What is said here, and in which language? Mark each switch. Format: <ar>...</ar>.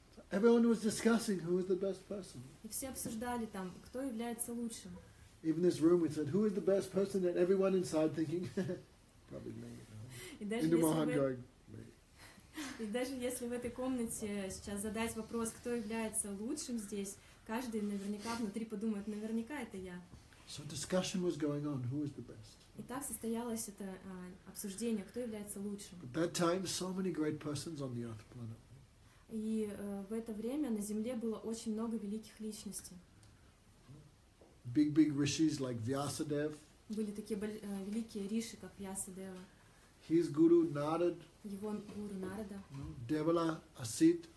<en>Everyone was discussing who is the best person.</en> <ru>И все обсуждали там, кто является лучшим.</ru> <en>Even this room, we said, who is the best person? And everyone inside thinking, probably me.</en> <ru>И даже если в этой комнате сейчас задать вопрос, кто является лучшим здесь, каждый наверняка внутри подумает, наверняка это я.</ru> <en>So discussion was going on, who is the best.</en> <ru>И так состоялось это обсуждение, кто является лучшим.</ru> <en>At that time, so many great persons on the earth planet.</en> <ru>И в это время на Земле было очень много великих личностей.</ru> <en>Big rishis like Vyasadev.</en> <ru>Были такие великие риши, как Vyasadeva.</ru> <en>His guru Narad.</en> <ru>Его гуру Нарада.</ru> <en>Devala Asit.</en>